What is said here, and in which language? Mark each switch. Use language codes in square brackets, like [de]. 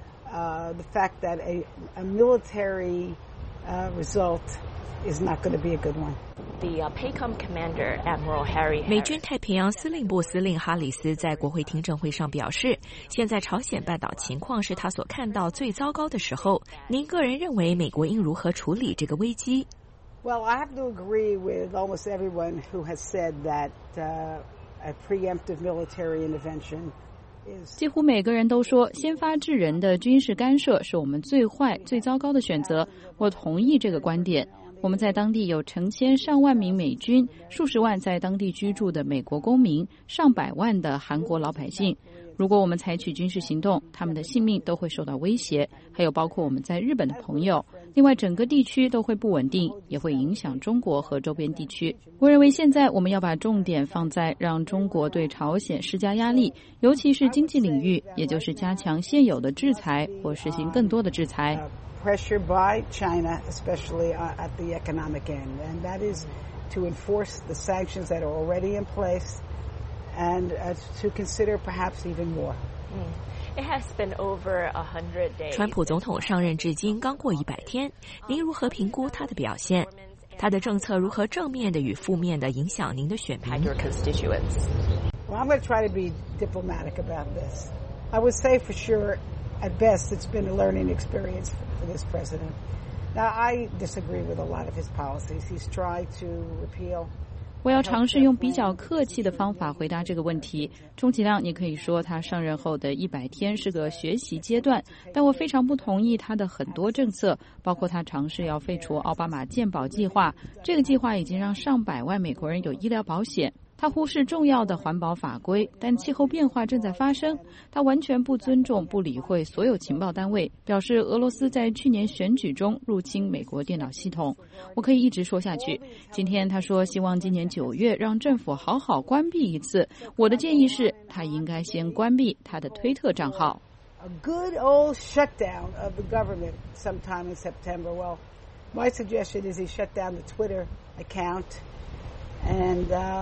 [en] The fact that a military result is not going to be a good one. The PACOM commander, Admiral Harry. [zh] 美军太平洋司令部司令哈里斯在国会听证会上表示，现在朝鲜半岛情况是他所看到最糟糕的时候。您个人认为美国应如何处理这个危机？ [en] Well, I have to agree with almost everyone who has said that a preemptive military intervention. [zh] 几乎每个人都说先发制人的军事干涉是我们最坏最糟糕的选择，我同意这个观点。我们在当地有成千上万名美军，数十万在当地居住的美国公民，上百万的韩国老百姓，如果我们采取军事行动，他们的性命都会受到威胁，还有包括我们在日本的朋友。另外，整个地区都会不稳定，也会影响中国和周边地区。我认为现在我们要把重点放在让中国对朝鲜施加压力，尤其是经济领域，也就是加强现有的制裁或实行更多的制裁。 [en] Pressure by China, especially at the economic end, and that is to enforce the sanctions that are already in place. And to consider perhaps even more. It has been over 100 days. [zh] 川普总统上任至今刚过100天，您如何评估他的表现？他的政策如何正面的与负面的影响您的选民 [en] ？Your constituents. Well, I'm going to try to be diplomatic about this. I would say for sure, at best, it's been a learning experience for this president. Now, I disagree with a lot of his policies. He's tried to repeal. [zh] 我要尝试用比较客气的方法回答这个问题。充其量你可以说他上任后的100天是个学习阶段，但我非常不同意他的很多政策，包括他尝试要废除奥巴马健保计划。这个计划已经让上百万美国人有医疗保险。他忽视重要的环保法规，但气候变化正在发生。他完全不尊重、不理会所有情报单位，表示俄罗斯在去年选举中入侵美国电脑系统。我可以一直说下去。今天他说希望今年9月让政府好好关闭一次。我的建议是，他应该先关闭他的推特账号。 [en] A good old shutdown of the government sometime in September. Well, my suggestion is he shut down the Twitter account and.